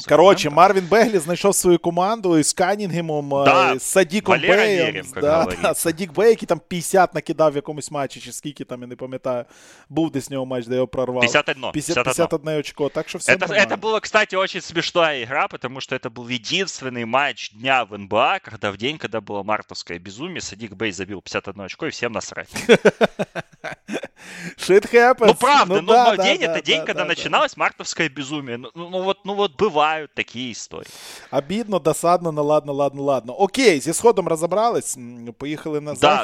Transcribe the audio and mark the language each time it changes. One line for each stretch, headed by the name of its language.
Ukrainian: Короче, Марвін Беглі знайшов свою команду із Каннінгемом, да, з Садіком Беєм. Да, Садік Бей, який там 50 накидав в якомусь матчі, чи скільки там, я не пам'ятаю. Був десь у нього матч, де його прорвав. 51 очко. Так що все нормально.
Russian: Это була, кстати, очень смешная игра, потому что это был единственный матч дня в НБА, когда в день, когда было мартовское безумие, Садік Бей забил 51 очко и всем насрать.
English: Shit happens.
Russian: Ну, правда, день, когда начиналось мартовское безумие. Ну, бывают такие истории. Обидно, досадно, ладно.
Ukrainian: Окей, зі сходом разобрались, поїхали на захід.